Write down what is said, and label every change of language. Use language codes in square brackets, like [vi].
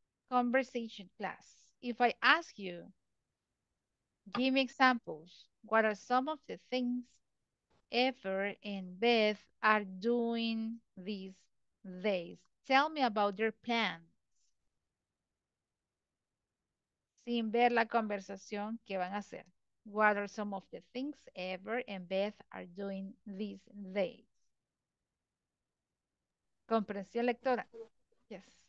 [en] Conversation class. If I ask you, give me examples. What are some of the things Ever and Beth are doing these days? Tell me about their plan. [es] Sin ver la conversación, ¿qué van a hacer? [en] What are some of the things Ever and Beth are doing these days? [es] Comprensión lectora. Yes.